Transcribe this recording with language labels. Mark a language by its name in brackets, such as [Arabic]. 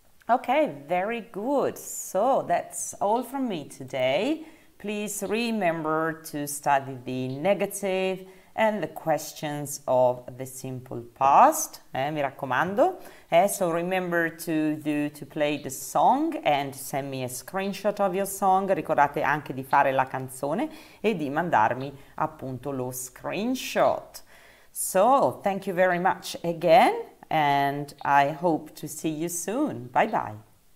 [English] Okay, very good. So, that's all from me today. Please remember to study the negative and the questions of the simple past, [Italian] mi raccomando. [English] So remember to play the song and send me a screenshot of your song. [Italian] Ricordate anche di fare la canzone e di mandarmi appunto lo screenshot. [English] So, thank you very much again and I hope to see you soon. Bye bye.